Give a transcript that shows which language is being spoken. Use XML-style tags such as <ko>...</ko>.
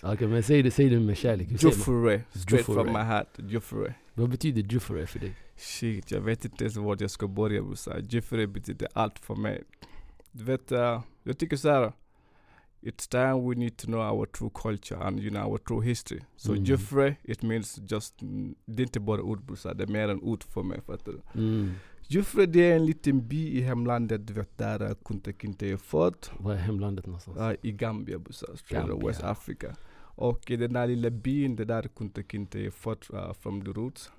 <sv>Okej, okay, men säg det med kärlek.</sv> <en>Jufre. Straight from my heart. Jufre.</en> <sv>Vad betyder Jufre för dig? Shit, jag vet inte ens vad jag ska börja, Bussan. Jufre betyder allt för mig. Du vet, jag tycker så här.</sv> <en>It's time we need to know our true culture and, you know, our true history. So Jufre, it means just,</en> <sv>det är inte bara ord, brorsa, det är mer än ord för mig. Jufre, det är en liten by i hemlandet, du vet, där Kunta Kinte är född. Vad är hemlandet någonstans? I Gambia, brorsa,</sv> <en>straight away,</en> <sv>West Africa. Och den där lilla byn, det där Kunta Kinte är född</sv> <en>from the roots.</en>